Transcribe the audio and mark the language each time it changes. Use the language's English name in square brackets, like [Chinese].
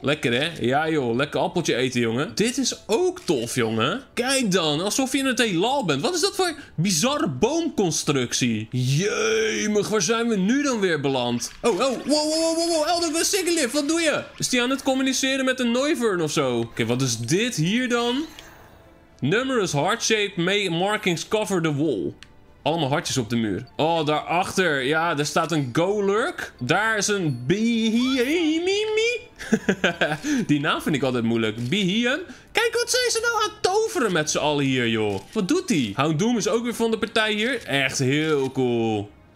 [Dutch] Lekker, hè? Ja, joh. Lekker appeltje eten, jongen. Dit is ook tof, jongen. Kijk dan. Alsof je in het heelal bent. Wat is dat voor bizarre boomconstructie? Jemig, waar zijn we nu dan weer beland? Oh, oh. Wow, wow, wow, wow. Eldegoss, Sigilyph, wat doe je? Is die aan het communiceren met een Noivern of zo? Oké, wat is dit hier dan? [English] Numerous heart-shaped may markings cover the wall. [Dutch] Allemaal hartjes op de muur. Oh, daarachter. Ja, daar staat een Golurk. Daar is een Behemimi. Die naam vind ik altijd moeilijk. Behem. Kijk, wat zijn ze nou aan het toveren met z'n allen hier, joh. Wat doet die? Houndoom is ook weer van de partij hier. Echt heel cool.